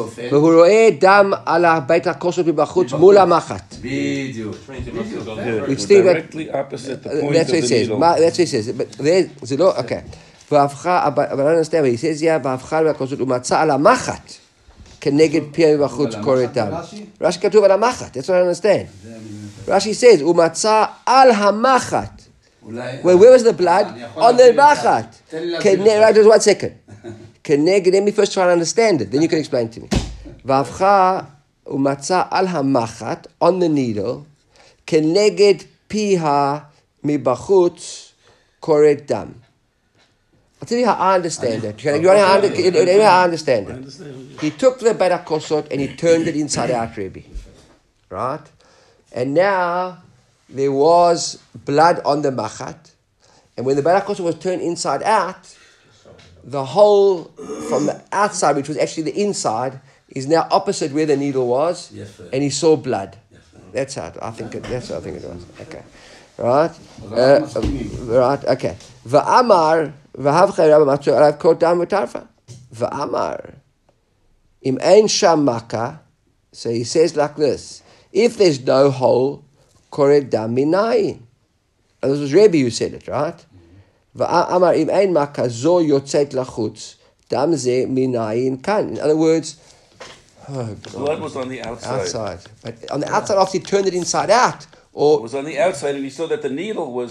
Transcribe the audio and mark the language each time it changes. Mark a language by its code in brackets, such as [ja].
[he] והוא רואה דם על בית הקוסף מבחוץ מול המחת. בדיוק. [en] Directly opposite the point of the needle. That's what he says. [he] זה לא, אוקיי. והפכה, אבל אני אסתם, היא סזיה, והפכה למחת, הוא מצא על המחת, כנגד פיה מבחוץ קורת דם. רשי כתוב על המחת, [en] that's what I understand. [he] רשי says, הוא מצא על המחת. [en] Well, where was the blood? On the מחת. Right, just one second. כנגד, let me first try to understand it, then you can explain to me. [he] והפכה, הוא מצא על המחת, [en] on the needle, [he] כנגד פיה מבחוץ קורת דם. [en] I'll tell you how I understand it. I understand it. He took the beta kosot and he turned it inside out, Rebbe. Right? And now there was blood on the machat. And when the beta kosot was turned inside out, the hole from the outside, which was actually the inside, is now opposite where the needle was. Yes, and he saw blood. Yes, that's how it, I think, that's how I think it was. Okay. Right? Right, okay. Va'amar... [he] והבחי רבא מצו עליו קורת דם וטרפה. ואמר, אם אין שם מכה, [en] so he says like this, if there's no hole, [he] קורת דם מנין. [en] And this was Rebbe who said it, right? [he] ואמר, אם אין מכה, זו יוצאת לחוץ, דם זה מנין כאן. [en] In other words, oh God. Blood was on the outside. Outside. But on the outside, obviously turned it inside out. Or, it was on the outside, and he saw that the needle was...